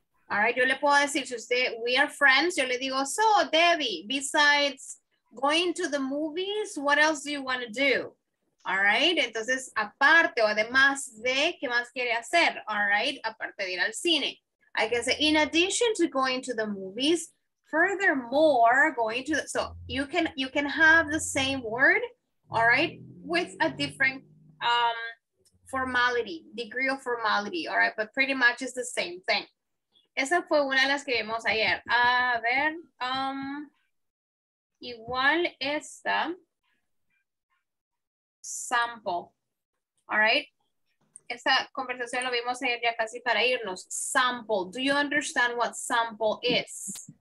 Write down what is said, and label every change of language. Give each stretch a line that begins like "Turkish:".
English: All right,
Spanish: yo le puedo decir, si usted,
English: we are friends,
Spanish: yo le digo,
English: so Debbie, besides going to the movies, what else do you want to do? All right.
Spanish: Entonces, aparte o además de, ¿qué más quiere hacer?
English: All right.
Spanish: Aparte de ir al cine.
English: I can say, in addition to going to the movies, Furthermore, going to the, so you can have the same word, all right, with a different formality, degree of formality, all right, but pretty much it's the same thing.
Spanish: Esa fue una de las que vimos ayer. A ver, igual esta sample, all right. Esta conversación lo vimos ayer ya casi para irnos.
English: Sample, do you understand what sample is?